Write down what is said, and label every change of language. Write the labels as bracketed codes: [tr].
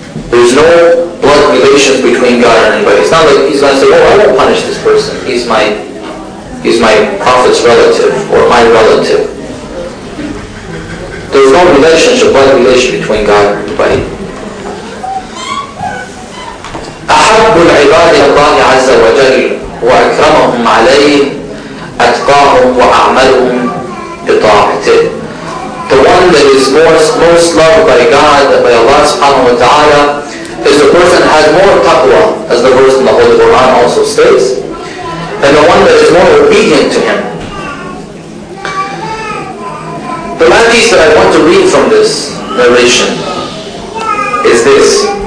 [en] There's no blood relations between God and anybody. It's not like He's going to say, oh, I won't punish this person. He's my Prophet's relative or my relative. There's no relationship, blood relation between God and anybody. [ar] أحب العباد الله عز وجل وأكرمهم عليه أتقاهم وأعملهم بطاعته. [en] The one that is most loved by God, by Allah subhanahu wa ta'ala, is the person that has more taqwa, as the verse in the Holy Quran also states, and the one that is more obedient to Him. The last piece that I want to read from this narration is this.